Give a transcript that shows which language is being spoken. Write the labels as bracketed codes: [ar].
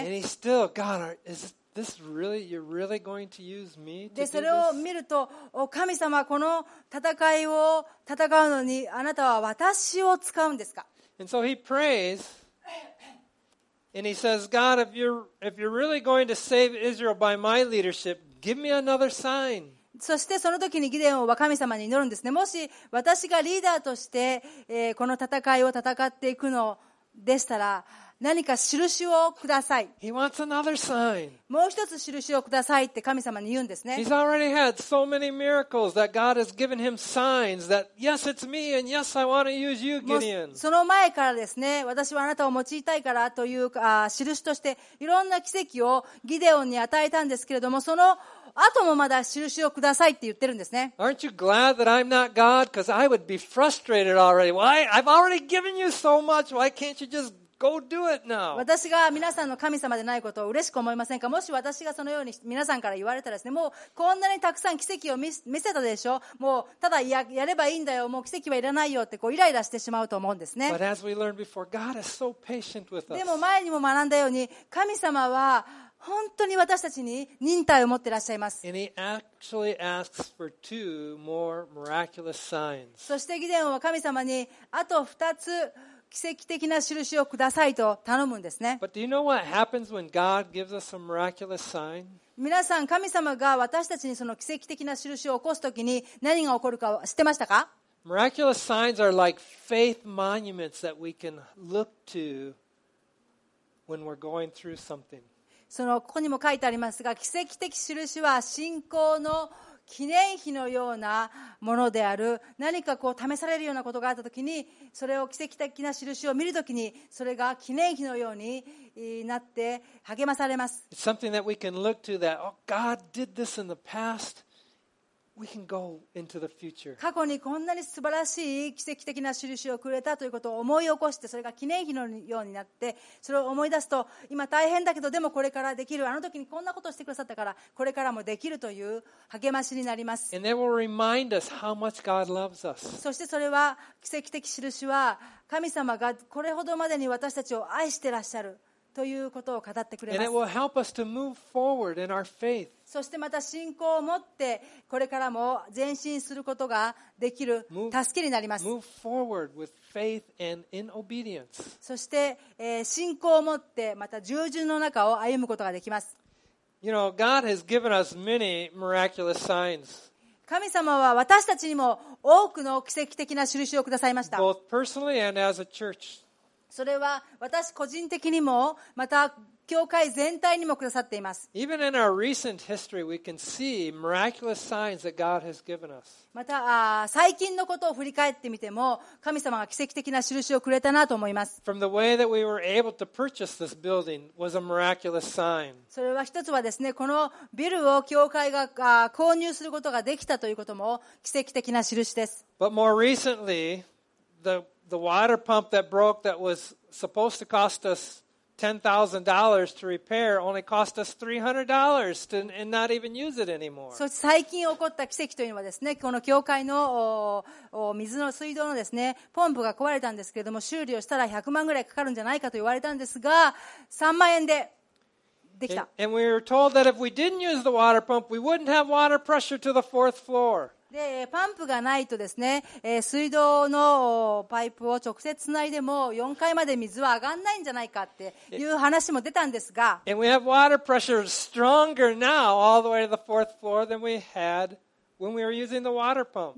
[en] And he still, God, is this really? You're really going to use me? To do this? [ja] でそれを見ると、神様この戦いを戦うのにあなたは私を使うんですか。 [en] And so he prays. And he says, God, if you're really going to save Israel by my leadership, give me another sign. [ja] そしてその時にギデオンは神様に祈るんですね。もし私がリーダーとして、この戦いを戦っていくのでしたら何か印をください。 [en] He wants another sign. [ja] もう一つ印をくださいって神様に言うんですね。 [en] He's already had so many miracles that God has given him signs that yes it's me and yes I want to use you Gideon. [ja] その前からですね、私はあなたを用いたいからというか印としていろんな奇跡をギデオンに与えたんですけれども、その後もまだ印をくださいって言ってるんですね。 [en] Aren't you glad that I'm not God? Because I would be frustrated already. Why? I've already given you so much. Why can't you just go do it now? [ja] 私が皆さんの神様でないことを嬉しく思いませんか？もし私がそのように皆さんから言われたらですね、もうこんなにたくさん奇跡を見せたでしょ？もうただ やればいいんだよ。もう奇跡はいらないよってこうイライラしてしまうと思うんですね。 [en] But as we learned before, God is so patient with us. [ja] でも前にも学んだように神様は本当に私たちに忍耐を持ってらっしゃいます。 [en] And he actually asks for two more miraculous signs. [ja] そしてギデオンは神様にあと2つ奇跡的な印をくださいと頼むんですね。 [en] But do you know what happens when God gives us a miraculous sign? [ja] 皆さん、神様が私たちにその奇跡的な印を起こすときに何が起こるか知ってましたか？ [en] Miraculous signs are like faith monuments that we can look to when we're going through something. [ja] そのここにも書いてありますが、奇跡的印は信仰の記念碑のようなものである。何かこう試されるようなことがあったときに、それを奇跡的な印を見るときに、それが記念碑のようになって励まされます。 [en] It's something that we can look to that, oh, God did this in the past. We can go into the future. [ja] 過去にこんなに素晴らしい奇跡的な印をくれたということを思い起こして、それが記念碑のようになって、それを思い出すと今大変だけどでもこれからできる、あの時にこんなことをしてくださったからこれからもできるという励ましになります。 [en] And they will remind us how much God loves us. [ja] そしてそれは、奇跡的印は神様がこれほどまでに私たちを愛してらっしゃるということを語ってくれます。 [en] And it will help us to move forward in our faith. [ja] そしてまた信仰を持ってこれからも前進することができる助けになります。 [en] move forward with faith and in obedience. [ja] そして、信仰を持ってまた従順の中を歩むことができます。 [en] you know, God has given us many miraculous signs. [ja] 神様は私たちにも多くの奇跡的な印をくださいました。 [en] both personally and as a church. [ja] それは私個人的にもまた教会全体にもくださっています。 [en] Even in our recent history, we can see miraculous signs that God has given us. [ja] また最近のことを振り返ってみても、神様が奇跡的な印をくれたなと思います。 [en] From the way that we were able to purchase this building was a miraculous sign. [ja] それは一つはですね、このビルを教会が購入することができたということも奇跡的な印です。 [en] But more recently, the water pump that broke that was supposed to cost us $10,000 to repair only cost us $300 to and not even use it anymore. [ja] そして最近起こった奇跡というのはですね、この教会の水の水道のですね、ポンプが壊れたんですけれども、修理をしたら100万ぐらいかかるんじゃないかと言われたんですが、3万円でできた。 [en] And we were told that if we didn't use the water pump, we wouldn't have water pressure to the fourth floor. [ja] でパンプがないとですね、水道のパイプを直接つないでも4階まで水は上がらないんじゃないかっていう話も出たんですが、 [en] And we have water pressure stronger now all the way to the fourth floor than we had when we were using the water pump.